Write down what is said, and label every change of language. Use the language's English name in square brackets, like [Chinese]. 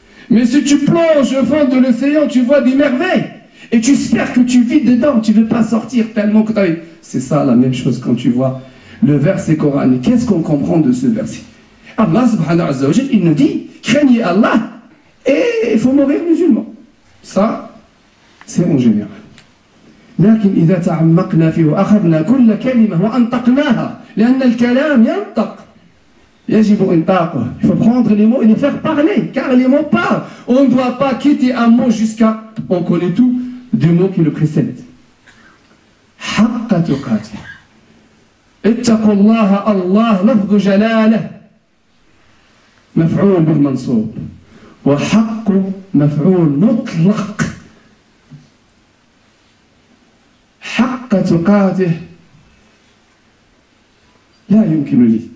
[French] mais si tu plonges au fond de l'océan tu vois des merveilles et tu espères que tu vis dedans tu ne veux pas sortir tellement que tu as c'est ça la même chose quand tu vois Le verset Coran, qu'est-ce qu'on comprend de ce verset Allah subhanahu wa ta'ala, il nous dit, craignez Allah et il faut mourir musulman. Ça, c'est en général. [Arabic] لكن إذا تعمقنا فيه وأخذنا كل كلمة وأنطقناها لأن الكلام ينطق يجب إنطاقه. [French] Il faut prendre les mots et les faire parler, car les mots parlent. On ne doit pas quitter un mot jusqu'à, on connaît tout, du mot qui le précède. [Arabic] حق تقاتل اتقوا الله الله لفظ جلاله مفعول بالمنصوب وحق مفعول مطلق حق تقاته لا يمكن